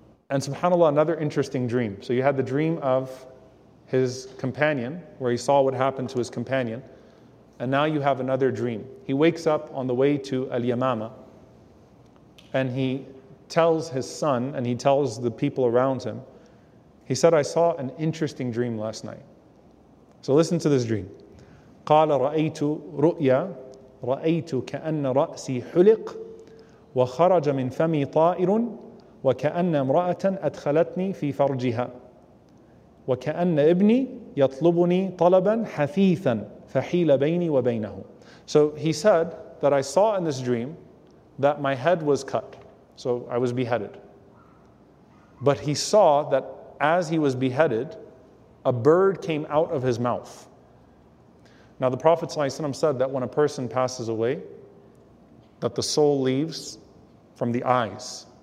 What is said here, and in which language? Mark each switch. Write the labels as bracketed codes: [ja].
[en] And subhanAllah, another interesting dream. So you had the dream of his companion, where he saw what happened to his companion. And now you have another dream. He wakes up on the way to Al-Yamama, and he tells his son, and he tells the people around him, he said, I saw an interesting dream last night. So listen to this dream. [ar] قال رأيت رؤيا رأيت كأن رأسي حلق وخرج من فمي طائر وكأن امرأة أدخلتني في فرجها وكأن ابني يطلبني طلبا حثيثا فحيل بيني وبينه. [en] So he said that I saw in this dream that my head was cut. So I was beheaded. But he saw that as he was beheaded, a bird came out of his mouth. Now the Prophet ﷺ said that when a person passes away, that the soul leaves from the eyes.